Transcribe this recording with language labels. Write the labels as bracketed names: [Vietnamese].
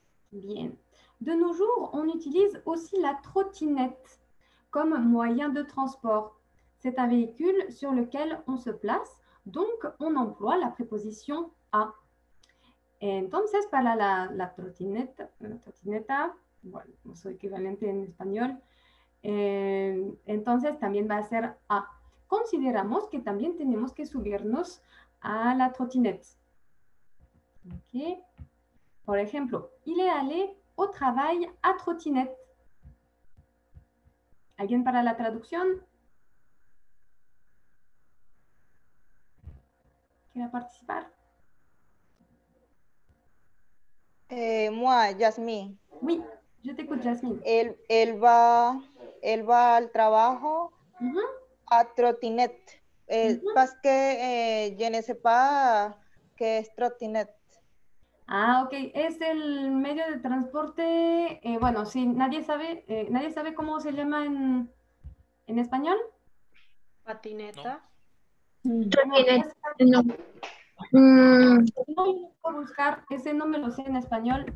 [French] Bien. De nos jours, on utilise aussi la trottinette. comme moyen de transport. C'est un véhicule sur lequel on se place, donc on emploie la préposition à. [Spanish] Entonces, para la trotineta, bueno, su equivalente en español, entonces también va a ser a. Consideramos que también tenemos que subirnos a la trotinette. Okay. Por ejemplo, [French] il est allé au travail à trottinette. [Spanish] ¿Alguien para la traducción? ¿Quiere participar? [French] Moi, Jasmine. Oui, je t'écoute, Jasmine. [Spanish] Él va al trabajo a trottinette. [French] Parce que je ne sais pas que es trottinette. [Spanish] Ah, ok. Es el medio de transporte, bueno, sí, ¿nadie sabe cómo se llama en español? Patineta. No. No. No puedo buscar, ese no me lo sé en español.